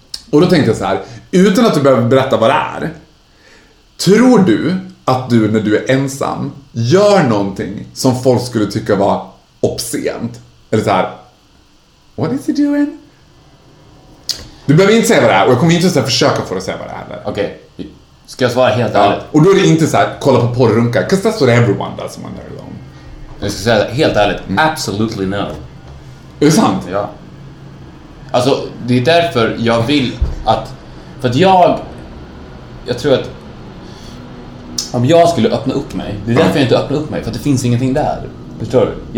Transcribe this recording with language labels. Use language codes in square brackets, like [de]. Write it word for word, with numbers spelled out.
[sv] Och då tänkte jag så här, utan att du behöver berätta vad det är. Tror du att du när du är ensam gör någonting som folk skulle tycka var obscent? Eller så här, [en] what is he doing? [sv] Du behöver inte säga vad det är, och jag kommer inte så här försöka få dig att säga vad det är. Okej, okay. Ska jag svara helt ärligt? Ja. Och då är det inte så här, kolla på porrrunkar. [en] Because that's what everyone does when they're alone. [sv] Jag ska säga helt ärligt, mm. [en] absolutely no. [sv] Är det sant? Ja. Alltså, det är därför jag vill att... För att jag... Jag tror att... Om jag skulle öppna upp mig... Det är därför jag inte öppnar upp mig. För att det finns ingenting där. Förstår du?